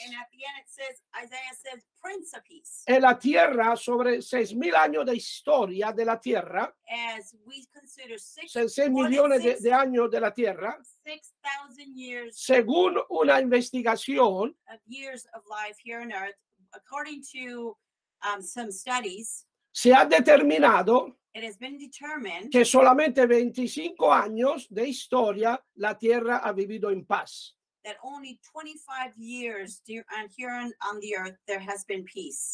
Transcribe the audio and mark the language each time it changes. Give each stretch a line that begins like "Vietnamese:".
English: And at the end it says, Isaiah says, Prince of Peace.
Spanish: En la tierra, sobre 6,000 años de historia de la tierra,
English: as we consider
Spanish: 6 millones de años de la tierra,
English: 6,000 years,
Spanish: según una investigación,
English: of years of life here on earth, according to some studies,
Spanish: se ha determinado.
English: It has been determined
Spanish: que solamente 25 años de historia la tierra ha vivido en paz.
English: That only 25 years here on the earth there has been peace.